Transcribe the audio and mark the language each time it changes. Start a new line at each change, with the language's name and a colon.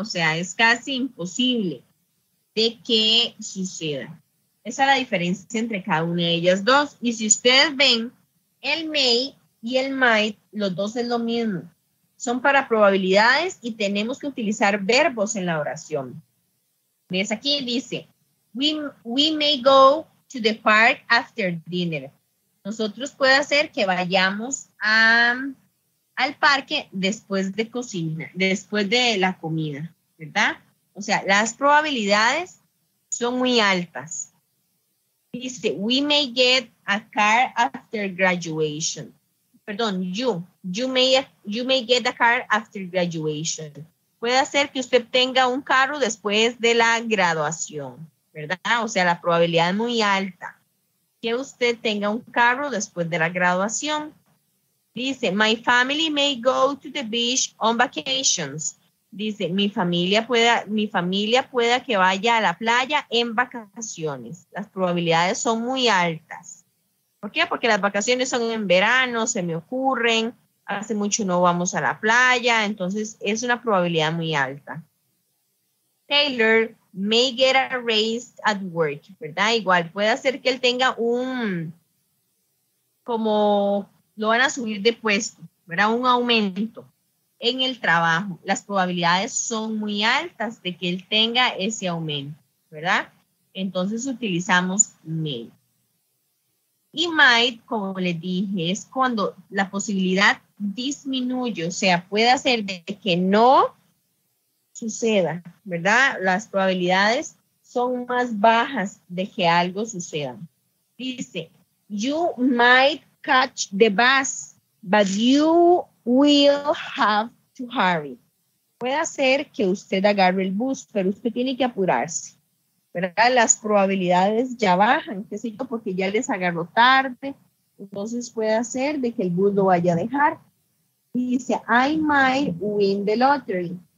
Spanish: O sea, es casi imposible de que suceda. Esa es la diferencia entre cada una de ellas dos. Y si ustedes ven, el may y el might, los dos es lo mismo. Son para probabilidades y tenemos que utilizar verbos en la oración. ¿Ves? Aquí dice,
English: we may go to the park after dinner.
Spanish: nosotros puede hacer que vayamos a, al parque después de cocinar, después de la comida, ¿verdad? O sea, las probabilidades son muy altas.
English: Dice, we may get a car after graduation. Perdón, you may get a car after graduation.
Spanish: Puede ser que usted tenga un carro después de la graduación, ¿verdad? O sea, la probabilidad es muy alta que usted tenga un carro después de la graduación.
English: Dice, my family may go to the beach on vacations.
Spanish: Dice, mi familia pueda que vaya a la playa en vacaciones. Las probabilidades son muy altas. ¿Por qué? Porque las vacaciones son en verano, se me ocurren. Hace mucho no vamos a la playa, entonces es una probabilidad muy alta.
English: Taylor may get a raise at work, ¿verdad?
Spanish: Igual puede ser que él tenga un, como lo van a subir de puesto, ¿verdad? Un aumento en el trabajo. Las probabilidades son muy altas de que él tenga ese aumento, ¿verdad? Entonces utilizamos may. Y might, como les dije, es cuando la posibilidad disminuye, o sea, puede ser de que no suceda, ¿verdad? Las probabilidades son más bajas de que algo suceda.
English: Dice, you might catch the bus, but you will have to hurry.
Spanish: Puede ser que usted agarre el bus, pero usted tiene que apurarse, ¿verdad? Las probabilidades ya bajan, qué sé yo, porque ya les agarró tarde. Entonces puede ser de que el bus lo vaya a dejar. Dice,
English: I might win the lottery.